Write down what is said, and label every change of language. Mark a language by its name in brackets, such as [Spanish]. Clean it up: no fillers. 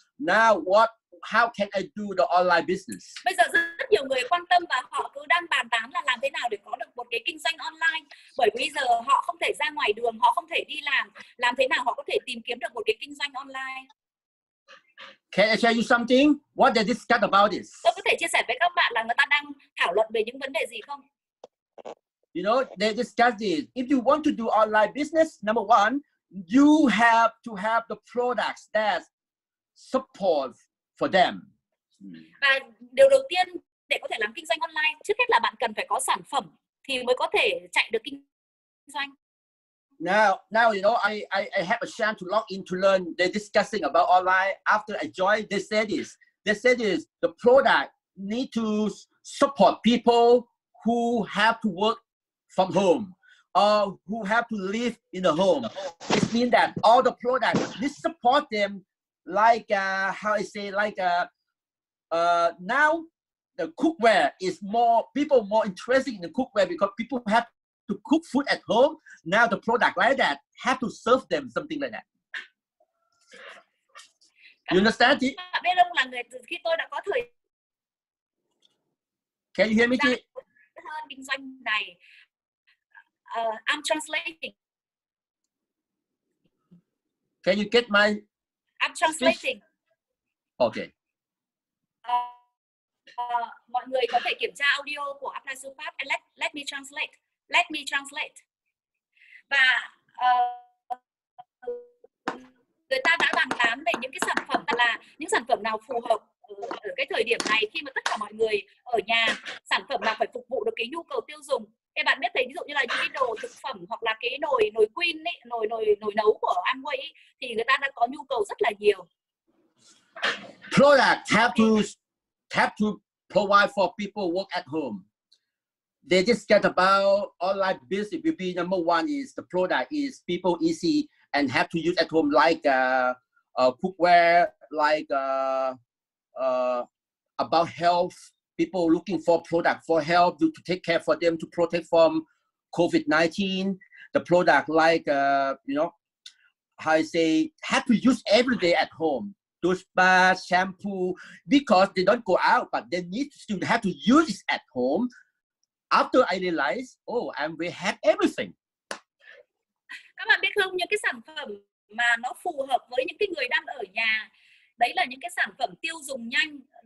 [English] Now what, how can I do the online business? [Vietnamese] Bây giờ rất nhiều người quan tâm và họ cứ đang bàn tán là làm thế nào để có được một cái kinh doanh online. Bởi bây giờ họ không thể ra ngoài đường, họ không thể đi làm. Làm thế nào họ có thể tìm kiếm được một cái kinh doanh online? [English] Can I share you something? What they discuss about this? [Vietnamese] Tôi có thể chia sẻ với các bạn là người ta đang thảo luận về những vấn đề gì không? [English] You know, they discuss this. If you want to do online business, number one, you have to have the products that support for them. Và điều đầu tiên để có thể làm kinh doanh online, trước hết là bạn cần phải có sản phẩm thì mới có thể chạy được kinh doanh. Now you know, I have a chance to log in to learn. They're discussing about online. After I joined, they said this, the product need to support people who have to work from home or who have to live in a home. It means that all the products need support them. Now the cookware is more interested in the cookware because people have to cook food at home. Now the product like that have to serve them something like that. You understand? [Vietnamese] Chị? Biết ông là người từ khi tôi đã có thời. [English] Can you hear me, chị? [Vietnamese] Kinh doanh này. [English] I'm translating. Can you get my? I'm translating. Okay. [Vietnamese] Mọi người có thể kiểm tra audio của Apply Supat [English] and let me translate. [Vietnamese] Let me translate. Và người ta đã bàn tán về những cái sản phẩm là những sản phẩm nào phù hợp ở cái thời điểm này khi mà tất cả mọi người ở nhà, sản phẩm nào phải phục vụ được cái nhu cầu tiêu dùng. Thế bạn biết thấy ví dụ như là những cái đồ thực phẩm hoặc là cái nồi queen ấy, nồi nấu của Amway ấy, thì người ta đã có nhu cầu rất là nhiều. [English] Product have to provide for people work at home. They just get about online business will be number one is the product is people easy and have to use at home like cookware, like about health. People looking for product for help to take care for them to protect from COVID-19. The product like have to use every day at home. Douche bar, shampoo, because they don't go out, but they need to still have to use it at home. After I realize, and we have everything. [Vietnamese] Các bạn biết không, những cái sản phẩm mà nó phù hợp với những cái người đang ở nhà, đấy là những cái sản phẩm tiêu dùng nhanh.